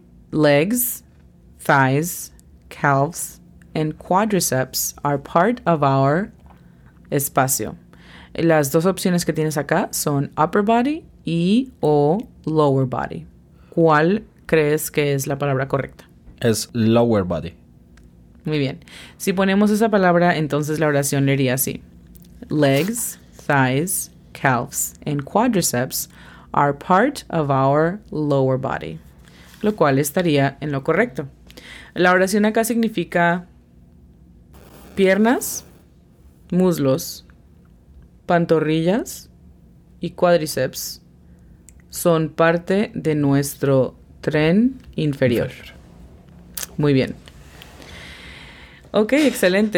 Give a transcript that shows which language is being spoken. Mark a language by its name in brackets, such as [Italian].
[English] Legs, thighs, calves, and quadriceps are part of our espacio. [Spanish] Las dos opciones que tienes acá son [English] upper body [Spanish] y o [English] lower body. [Spanish] ¿Cuál crees que es la palabra correcta? Es [English] lower body. [Spanish] Muy bien. Si ponemos esa palabra, entonces la oración leería así. [English] Legs, thighs, calves, and quadriceps are part of our lower body. [Spanish] Lo cual estaría en lo correcto. La oración acá significa piernas, muslos, pantorrillas y cuádriceps son parte de nuestro tren inferior. Muy bien. Ok, excelente.